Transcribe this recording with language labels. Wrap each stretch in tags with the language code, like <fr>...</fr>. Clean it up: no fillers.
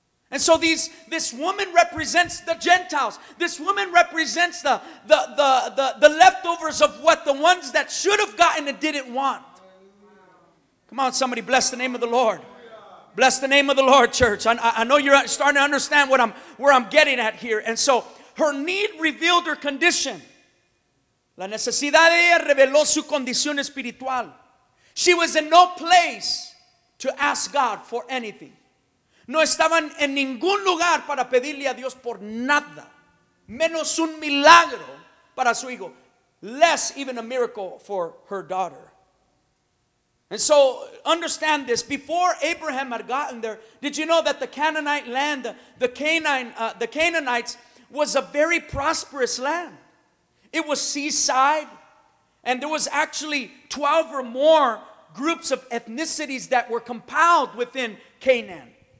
<en>And so this woman represents the Gentiles. This woman represents the leftovers of what the ones that should have gotten and didn't want. Come on, somebody, bless the name of the Lord. Bless the name of the Lord, church. I know you're starting to understand where I'm getting at here. And so her need revealed her condition.</en> <es>La necesidad de ella reveló su condición espiritual.</es> <en>She was in no place to ask God for anything.</en> <es>No estaban en ningún lugar para pedirle a Dios por nada, menos un milagro para su hijo,</es> <en>less even a miracle for her daughter. And so understand this, before Abraham had gotten there, did you know that the Canaanite land, the Canaanites was a very prosperous land? It was seaside, and there was actually 12 or more groups of ethnicities that were compiled within Canaan.</en>